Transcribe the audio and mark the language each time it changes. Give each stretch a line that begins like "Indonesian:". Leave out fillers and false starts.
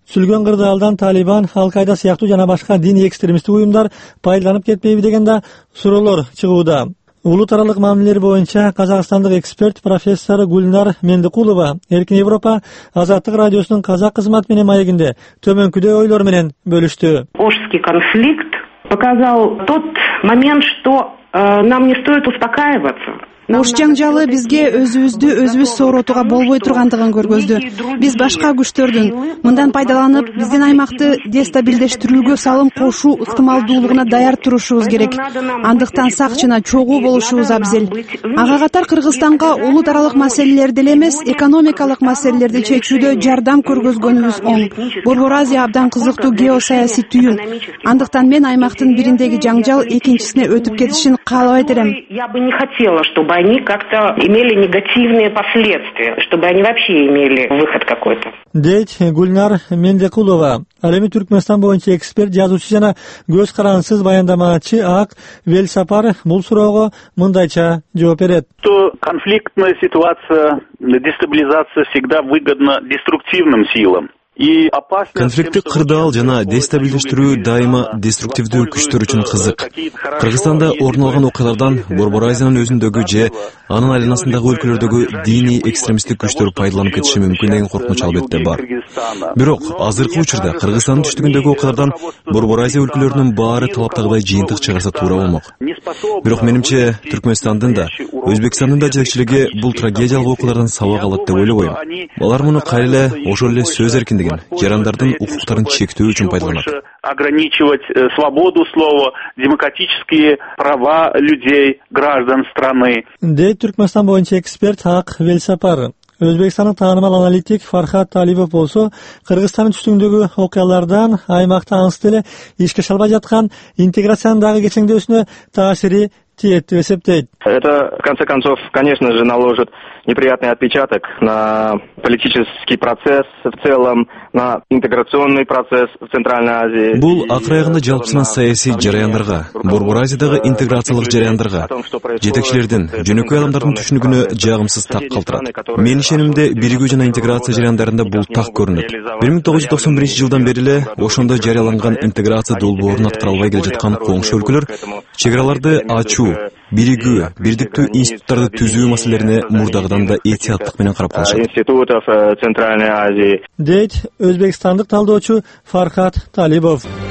Kyrgyz: Сүлгөн кырдаалдан Талибан, Ал-Кайда сыяктуу жана башка диний экстремисттик уюмдар пайдаланып кетпейби деген да суроолор чыгууда. Улут аралык мамилелер боюнча казакстандык эксперт профессор Гүлнар Мендикулова Эркин Европа Азаттык радиосунун казак кызмат менен маегинде төмөнкүдөй ойлор менен бөлүштү.
Russian: Ошский конфликт показал тот момент, что нам не стоит успокаиваться.
Kyrgyz: Ош жаңжалы бизге өзүбүздү өзүбүз сооротууга болбой тургандыгын көргөздү. Биз башка күчтөрдүн мындан пайдаланып биздин аймакты дестабилдештирүүгө салым кошуу ыктымалдуулугуна даяр турушубуз керек. Андыктан сак жана чогуу болушубуз абзел. Ага катар Кыргызстанга улут аралык маселелерди эле эмес, экономикалык маселелерди чечүүдө жардам көргөзгөнүбүз оң. Борбор Азия абдан кызыктуу геосаясий түйүн. Андыктан мен аймактын бириндеги жаңжал экинчисине өтүп кетишин каалабайт элем.
Russian: Чтобы они как-то имели негативные последствия, чтобы они вообще имели выход какой-то.
Kyrgyz: Дейт Гүлнар Мендикулова. Ал эми Түркмөнстан боюнча эксперт, жазуучу жана көз карансыз баяндамачы Ак Велсапар бул суроого мындайча жооп берет.
Russian: Конфликтная ситуация, дестабилизация всегда выгодна деструктивным силам.
Kyrgyz: Конфликтти кырдаал жана дестабилдештирүү дайыма деструктивдүү күчтөр үчүн кызык. Кыргызстанда орун алган окуялардан Борбор Азиянын өзүндөгү же анын айланасындагы өлкөлөрдөгү диний экстремисттик күчтөр пайдаланып кетиши мүмкүн деген коркунуч албетте бар. Бирок азыркы учурда Кыргызстандын түштүгүндөгү окуялардан Борбор Азия өлкөлөрүнүн баары талаптагыдай жыйынтык чыгарса туура болмок. Бирок менимче Түркмөнстандын да Өзбекстандын да жетекчилиги бул трагедиялык окуялардан сабак алат деп ойлобойм. Алар муну кайра эле ошол эле сөз эркин деген жарандардын укуктарын чектөө үчүн пайдаланат.
Russian: Ограничивать свободу слова, демократические права людей, граждан страны.
Kyrgyz: Дейт Түркмөнстан боюнча эксперт Ак Велсапар. Өзбекстандын таанымал аналитик Фархат Талибов болсо, Кыргызстандын түштүгүндөгү окуялардан аймакта ансыз эле ишке шалбай жаткан интеграциянын дагы кечеңдөөсүнө таасири
Russian: Это, в конце концов, конечно же, наложит неприятный отпечаток на политический процесс в целом, на интеграционный процесс в Центральной Азии.
Kyrgyz: Бул акрайгына жалпысынан саясий жараяндарга, Борбор Азиядагы интеграциялык жараяндарга, жетекчилердин, жөнөкөй адамдардын түшүнүгүнө жагымсыз так калтырат. Мен ишенимде биригүү жана интеграция жараяндарында бул так көрүнөт. 1991 жылдан бери эле ошондо жарыяланган интеграция долбоорун аткара албай келе жаткан коңшу өлкөлөр чекараларды ачуу, биригүү, бирдиктүү институттарды түзүү маселелерине мурдагыдан да этияттык менен карап калышат.
Russian: Институтов Центральной Азии.
Kyrgyz: Дейт өзбекстандык талдоочу Фархат Талибов.